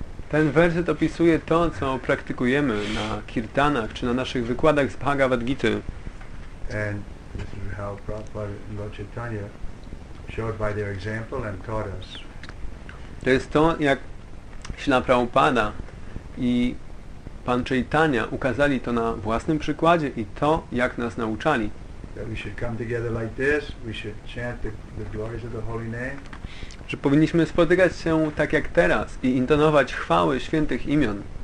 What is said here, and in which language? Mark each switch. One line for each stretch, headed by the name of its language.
Polish: Ten werset opisuje to, co praktykujemy na kirtanach, czy na naszych wykładach z Bhagavad Gita.
English: And this is how Prabhupada and Lord Chaitanya showed by their example and taught us.
Polish: To jest to, jak Śrila Prabhupada i Pan Chaitanya ukazali to na własnym przykładzie i to, jak nas nauczali.
English: That we should come together like this, we should chant the glories of the holy name.
Polish: Że powinniśmy spotykać się tak jak teraz i intonować chwały świętych imion.